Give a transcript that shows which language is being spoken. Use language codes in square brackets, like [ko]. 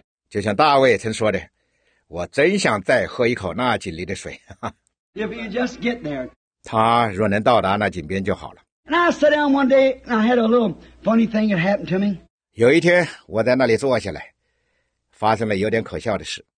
[zh] 就像大卫曾说的，我真想再喝一口那井里的水。 [en] If you just get there, [zh] 他若能到达那井边就好了。 [en] And I sat down one day, and I had a little funny thing that happened to me. [zh] 有一天，我在那里坐下来，发生了有点可笑的事。